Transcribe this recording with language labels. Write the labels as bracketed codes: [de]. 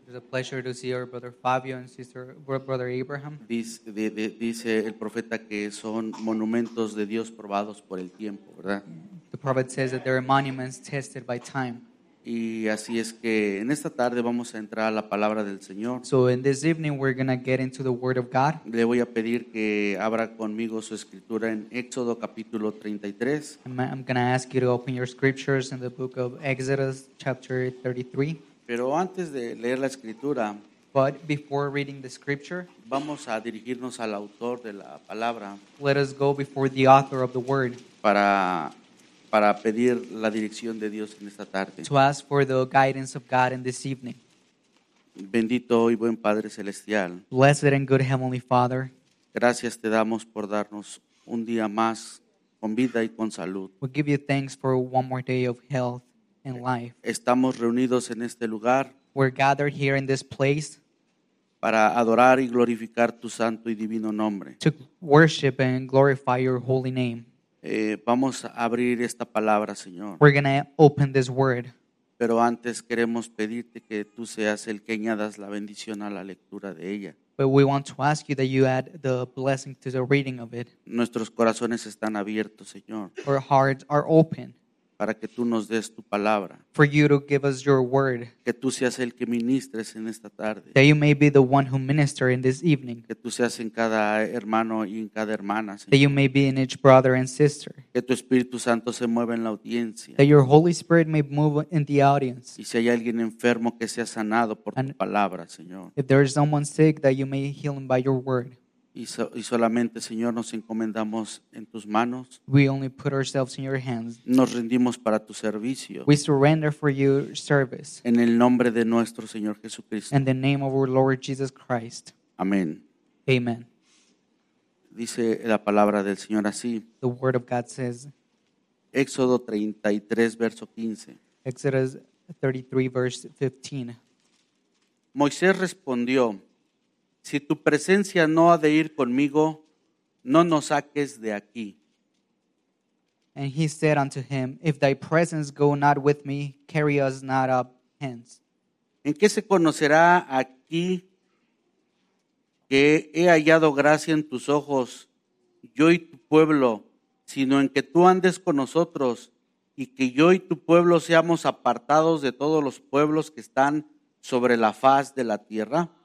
[en] It's a pleasure to see our brother Fabio and brother Abraham. [es] Dice el profeta que son monumentos de Dios probados por el tiempo, ¿verdad? [en] The prophet says that they're monuments tested by time. [es] Y así es que en esta tarde vamos a entrar a la palabra del Señor. [en] So in this evening we're going to get into the word of God. [es] Le voy a pedir que abra conmigo su escritura en Éxodo capítulo 33. [en] I'm going to ask you to open your scriptures in the book of Exodus chapter 33. [es] Pero antes de leer la escritura, [en] but before reading the scripture, [es] vamos a dirigirnos al autor de la palabra. [en] Let us go before the author of the word. [es] Para pedir la dirección de Dios en esta tarde. [en] To ask for the guidance of God in this evening. [es] Bendito y buen Padre Celestial. [en] Blessed and good Heavenly Father. [es] Gracias te damos por darnos un día más con vida y con salud. [en] We give you thanks for one more day of health and life. [es] Estamos reunidos en este lugar. [en] We're gathered here in this place. [es] Para adorar y glorificar tu santo y divino nombre. [en] To worship and glorify your holy name. [es] Vamos a abrir esta palabra, Señor. [en] We're going to open this word. [es] Pero antes queremos pedirte que tú seas el que añadas la bendición a la lectura de ella. [en] But we want to ask you that you add the blessing to the reading of it. [es] Nuestros corazones están abiertos, Señor. [en] Our hearts are open. [es] Para que tú nos des tu palabra. [en] For you to give us your word. [es] Que tú seas el que ministres en esta tarde. [en] That you may be the one who minister in this evening. [es] Que tú seas en cada hermano y en cada hermana, Señor. [en] That you may be in each brother and sister. [es] Que tu Espíritu Santo se mueva en la audiencia. [en] That your Holy Spirit may move in the audience. [es] Y si hay alguien enfermo que sea sanado por tu palabra, Señor. [en] If there is someone sick that you may heal him by your word. [es] Y solamente, Señor, nos encomendamos en tus manos. [en] We only put ourselves in your hands. [es] Nos rendimos para tu servicio. [en] We surrender for your service. [es] En el nombre de nuestro Señor Jesucristo. [en] In the name of our Lord Jesus Christ. [es] Amén. [en] Amen. [es] Dice la palabra del Señor así. [en] The word of God says. [es] Éxodo 33, verso 15. [en] Exodus 33, verse 15. [es] Moisés respondió. Si tu presencia no ha de ir conmigo, no nos saques de aquí. [en] And he said unto him, if thy presence go not with me, carry us not up hence. [es] ¿En qué se conocerá aquí que he hallado gracia en tus ojos, yo y tu pueblo, sino en que tú andes con nosotros y que yo y tu pueblo seamos apartados de todos los pueblos que están sobre la faz de la tierra?